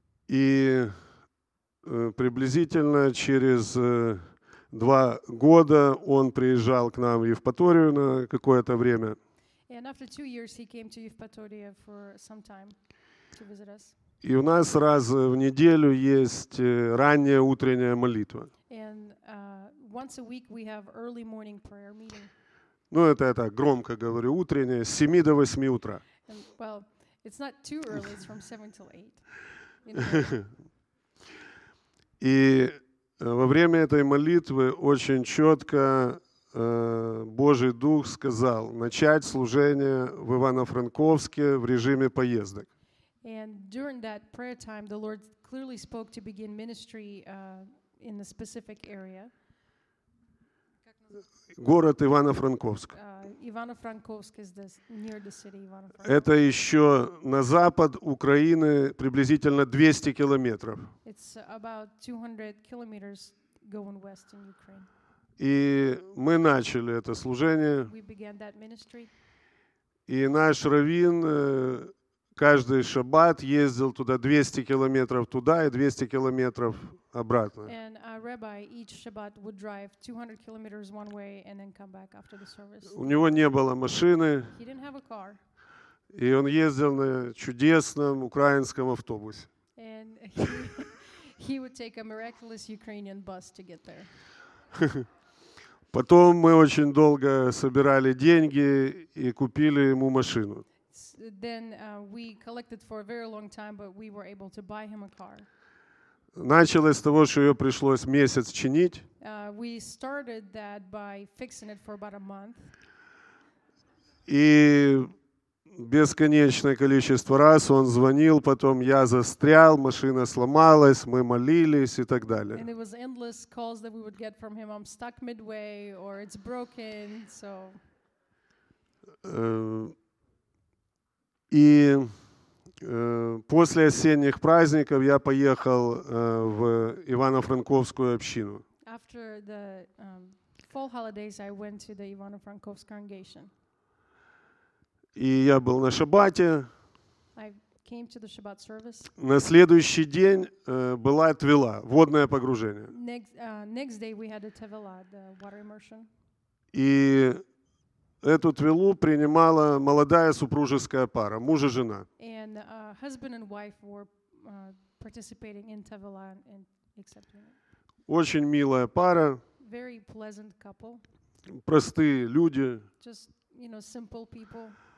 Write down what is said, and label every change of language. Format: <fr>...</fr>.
<ru>И приблизительно через 2 года он приезжал к нам в Евпаторию на какое-то время.</ru> <en>And after 2 years he came to Евпатория for some time to visit us.</en> <ru>И у нас раз в неделю есть ранняя утренняя молитва.</ru> <en>And once a week we have early morning prayer meeting.</en> <ru>Ну, это я так громко говорю, утренняя, с 7 до 8 утра.</ru> <en>And, well, it's not too early, it's from 7 till 8.</en> <ru>И во время этой молитвы очень четко Божий Дух сказал начать служение в Ивано-Франковске в режиме поездок.</ru> <en>And during that prayer time, the Lord clearly spoke to begin ministry in a specific area.</en> <ru>Город Ивано-Франковск.</ru> <en>Ivano-Frankovsk is this, near the city Ivano-Frankovsk.</en> <ru>Это еще на запад Украины приблизительно 200 километров.</ru> <en>It's about 200 kilometers going west in Ukraine.</en> <ru>И мы начали это служение.</ru> <en>We began that ministry.</en> <ru>И наш раввин каждый шаббат ездил туда 200 километров туда и 200 километров обратно.</ru> <en>And our rabbi each Shabbat would drive 200 kilometers one way and then come back after the service.</en> <ru>У него не было машины.</ru> <en>He didn't have a car.</en> <ru>И он ездил на чудесном украинском автобусе.</ru> <en>And he would take a miraculous Ukrainian bus to get there.</en> <ru>Потом мы очень долго собирали деньги и купили ему машину.</ru> <en>Then we collected for a very long time, but we were able to buy him a car.</en> <ru>Началось с того, что ее пришлось месяц чинить.</ru> <en>We started that by fixing it for about a month.</en> <ru>И бесконечное количество раз он звонил, потом я застрял, машина сломалась, мы молились и так далее.</ru> <en>And it was endless calls that we would get from him. I'm stuck midway or it's broken, so.</en> <ru>И после осенних праздников я поехал в Ивано-Франковскую общину.</ru> <en>After the fall holidays I went to the Ivano-Frankovsk congregation.</en> <ru>И я был на шаббате.</ru> <en>I came to the Shabbat service.</en> <ru>На следующий день была твила, водное погружение.</ru> <en>Next day we had a tevila, the water immersion.</en> <ru>И эту твилу принимала молодая супружеская пара, муж и жена.</ru> <en>And, husband and wife were, participating in tevila and accepting it.</en> <ru>Очень милая пара.</ru> <en>Very pleasant couple.</en> <ru>Простые люди.</ru> <en>Just, you know, simple people.</en>